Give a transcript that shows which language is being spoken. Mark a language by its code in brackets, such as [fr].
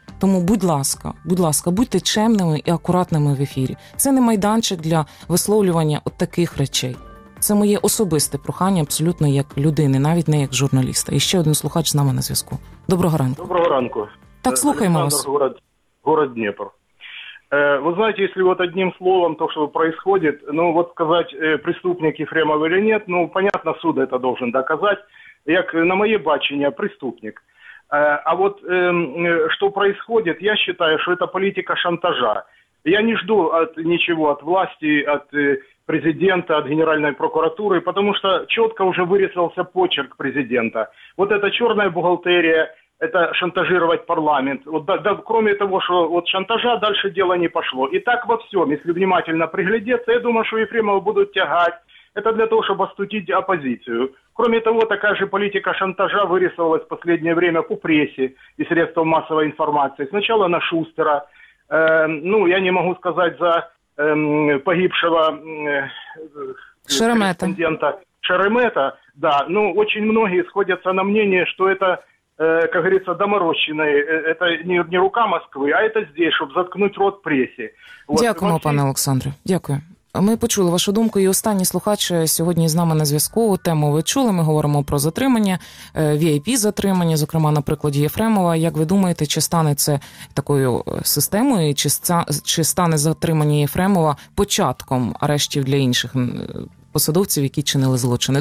[uk] Тому, будь ласка, будьте чемними і акуратними в ефірі. Це не майданчик для висловлювання от таких речей. Це моє особисте прохання абсолютно як людини, навіть не як журналіста. І ще один слухач з нами на зв'язку. Доброго ранку. Доброго ранку. Так, слухаємо вас. [ru] Город Дніпро. Вы знаете, если вот одним словом то, что происходит, ну вот сказать, преступник Ефремов или нет, ну понятно, суд это должен доказать. Как на моей бачення, преступник. А вот что происходит, я считаю, что это политика шантажа. Я не жду от ничего, от власти, от президента, от генеральной прокуратуры, потому что четко уже вырисовался почерк президента. Вот эта черная бухгалтерия, это шантажировать парламент. Вот, да, кроме того, что вот шантажа, дальше дело не пошло. И так во всем, если внимательно приглядеться, я думаю, что Ефремова будут тягать. Это для того, чтобы остудить оппозицию. Кроме того, такая же политика шантажа вырисовалась в последнее время по прессе и средствам массовой информации. Сначала на Шустера. Ну, я не могу сказать за погибшего Шеремета. Шеремета, да. Ну, очень многие сходятся на мнение, что это, как говорится, доморощенные. Это не рука Москвы, а это здесь, чтобы заткнуть рот прессе. Вот. [uk] Дякую, пане Олександре. Дякую. Ми почули вашу думку, і останні слухачі сьогодні з нами на зв'язку. Тему ви чули, ми говоримо про затримання, VIP-затримання, зокрема, на прикладі Єфремова. Як ви думаєте, чи стане це такою системою, чи стане затримання Єфремова початком арештів для інших посадовців, які чинили злочини?